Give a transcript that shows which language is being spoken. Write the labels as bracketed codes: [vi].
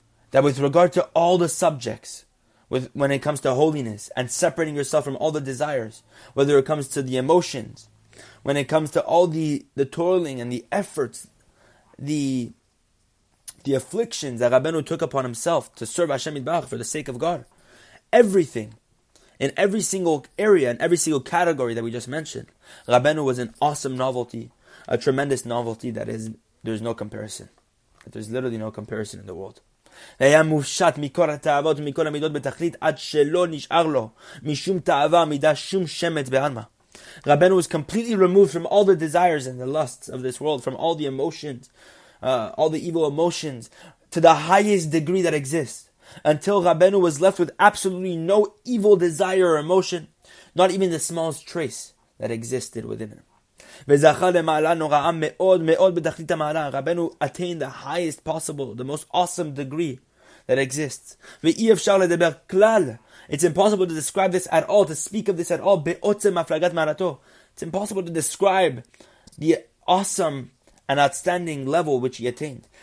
[en] That with regard to all the subjects, when it comes to holiness and separating yourself from all the desires, whether it comes to the emotions, when it comes to all the toiling and the efforts, the afflictions that Rabbeinu took upon himself to serve Hashem Yitbarach for the sake of God, everything, in every single area, in every single category that we just mentioned, Rabbeinu was an awesome novelty, a tremendous novelty that is, there's no comparison. There's literally no comparison in the world. [he] היה מופשט מכל התאוות ומכל המידות בתכלית עד שלא נשאר לו משום תאווה מידה שום שמץ באלמה. [en] Rabbeinu was completely removed from all the desires and the lusts of this world, from all the emotions, all the evil emotions, to the highest degree that exists, until Rabbeinu was left with absolutely no evil desire or emotion, not even the smallest trace that existed within him. [he] וזכה למעלה נוראה מאוד מאוד בתכלית המעלה. [en] רבנו attained the highest possible, the most awesome degree that exists. [he] ואי אפשר לדבר כלל. [en] It's impossible to describe this at all, to speak of this at all, [he] בעוצם הפלגת מעלתו. [en] It's impossible to describe the awesome and outstanding level which he attained.